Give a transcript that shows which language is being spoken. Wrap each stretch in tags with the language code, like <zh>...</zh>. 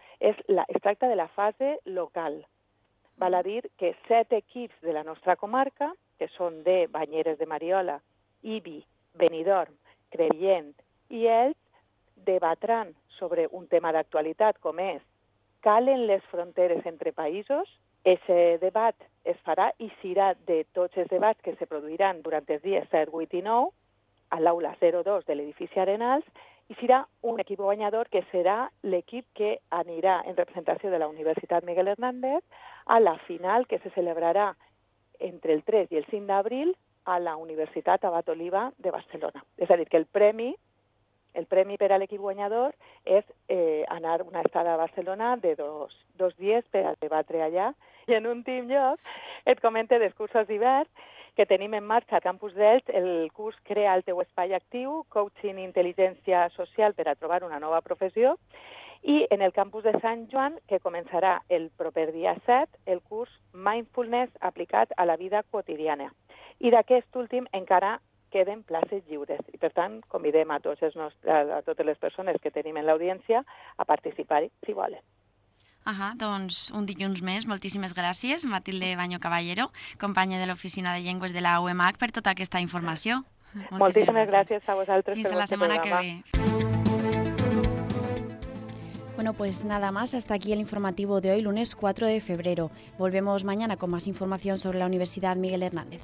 <ca>Es tracta de la fase local. Val a dir que 7 equips de la nostra comarca, que són de Banyeres de Mariola, Ibi, Benidorm, Crevillent i Elx, debatran sobre un tema d'actualitat com és calen les fronteres entre països. Aquest debat es farà i serà de tots els debats que se produiran durant els dies 7, 8 i 9</ca> <es>al aula 02 del edificio Arenals, y será un equipo bañador que será el equipo que anirá en representación de la Universidad Miguel Hernández a la final que se celebrará entre el 3 y el 5 de abril a la Universitat Abat Oliva de Barcelona. Es decir,</es> <ca>que el premi per al equip guanyador és anar una estada a Barcelona de dos dies per a debatre allà. I en últim lloc, et comente dels cursos d'hivern que tenim en marxa a Campus d'Elx, el curs Crea el teu espai actiu, coaching i intel·ligència social per a trobar una nova professió, i en el campus de Sant Joan, que començarà el proper dia 7, el curs Mindfulness aplicat a la vida quotidiana. I d'aquest últim encara queden places lliures. I, per tant, convidem a totes les persones que tenim en l'audiència a participar-hi, si volen. Ajà, doncs un dilluns més. Moltíssimes gràcies, Matilde Baño Caballero, companya de l'Oficina de Llengües de la UMH, per tota aquesta informació. Moltíssimes gràcies a vosaltres. Fins a la setmana que ve.</ca> <es>Bueno, pues nada más, hasta aquí el informativo de hoy, lunes 4 de febrero. Volvemos mañana con más información sobre la Universidad Miguel Hernández.</es>